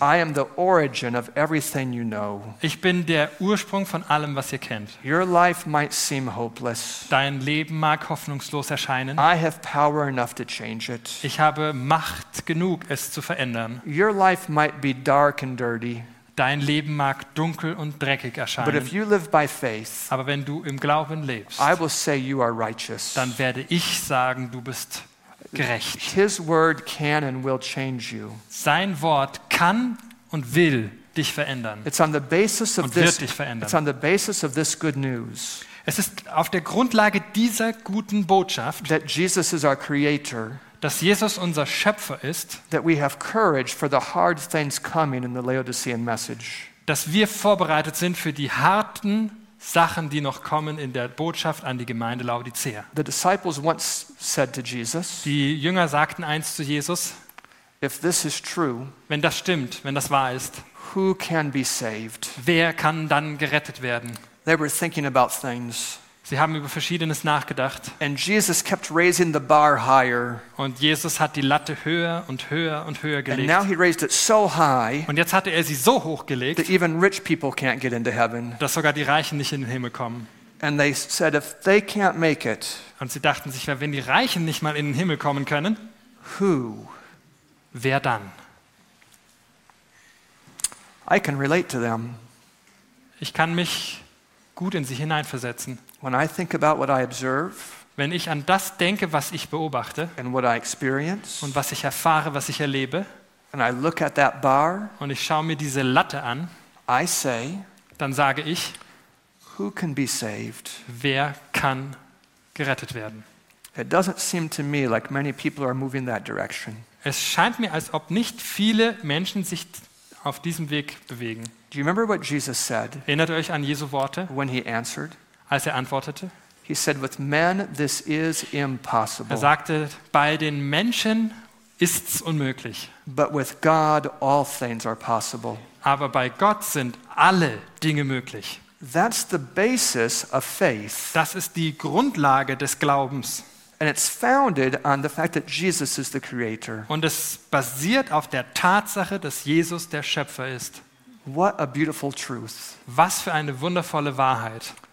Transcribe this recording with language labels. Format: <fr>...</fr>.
<en>I am the origin of everything you know.</en> <de>Ich bin der Ursprung von allem, was ihr kennt.</de> <en>Your life might seem hopeless.</en> <de>Dein Leben mag hoffnungslos erscheinen.</de> <en>I have power enough to change it.</en> <de>Ich habe Macht genug, es zu verändern.</de> <en>Your life might be dark and dirty.</en> <de>Dein Leben mag dunkel und dreckig erscheinen.</de> <en>But if you live by faith,</en> <de>aber wenn du im Glauben lebst,</de> <en>I will say you are righteous.</en> <de>Dann werde ich sagen, du bist gerecht.</de> <en>His word can and will change you.</en> <de>Sein Wort kann und will dich verändern.</de> <en>It's on the basis of</en> <de>und wird dich verändern.</de> <en>It's on the basis of this good news.</en> <de>Es ist auf der Grundlage dieser guten Botschaft,</de> <en>that Jesus is our creator,</en> <de>dass Jesus unser Schöpfer ist,</de> <en>that we have courage for the hard things coming in the Laodicean message,</en> <de>dass wir vorbereitet sind für die harten Sachen, die noch kommen in der Botschaft an die Gemeinde Laodicea.</de> <en>The disciples once said to Jesus,</en> <de>die Jünger sagten einst zu Jesus,</de> <en>if this is true,</en> <de>wenn das stimmt, wenn das wahr ist,</de> <en>who can be saved,</en> <de>wer kann dann gerettet werden?</de> <en>They were thinking about things.</en> <de>Sie haben über Verschiedenes nachgedacht.</de> <en>And Jesus kept raising the bar higher.</en> <de>Und Jesus hat die Latte höher und höher und höher gelegt.</de> <en>And now he raised it so high,</en> <de>und jetzt hatte sie so hoch gelegt,</de> <en>that even rich people can't get into heaven,</en> <de>dass sogar die Reichen nicht in den Himmel kommen.</de> <en>And they said, if they can't make it,</en> <de>und sie dachten sich, wenn die Reichen nicht mal in den Himmel kommen können,</de> <en>who?</en> <de>Wer dann?</de> <en>I can relate to them.</en> <de>Ich kann mich gut in sie hineinversetzen.</de> <en>When I think about what I observe,</en> <de>wenn ich an das denke, was ich beobachte,</de> <en>and what I experience,</en> <de>und was ich erfahre, was ich erlebe,</de> <en>and I look at that bar,</en> <de>und ich schaue mir diese Latte an,</de> <en>I say,</en> <de>dann sage ich,</de> <en>who can be saved?</en> <de>Wer kann gerettet werden?</de> <en>It doesn't seem to me like many people are moving that direction.</en> <de>Es scheint mir, als ob nicht viele Menschen sich auf diesem Weg bewegen.</de> <en>Do you remember what Jesus said?</en> <de>Erinnert euch an Jesu Worte?</de> <en>When he answered,</en> <de>als antwortete,</de> <en>he said, "With men, this is impossible."</en> <de>Sagte, bei den Menschen ist's unmöglich.</de> <en>But with God, all things are possible.</en> <de>Aber bei Gott sind alle Dinge möglich.</de> <en>That's the basis of faith.</en> <de>Das ist die Grundlage des Glaubens.</de> <en>And it's founded on the fact that Jesus is the creator.</en> <de>Und es basiert auf der Tatsache, dass Jesus der Schöpfer ist.</de> <en>What a beautiful truth.</en> <de>Was für eine wundervolle Wahrheit.</de>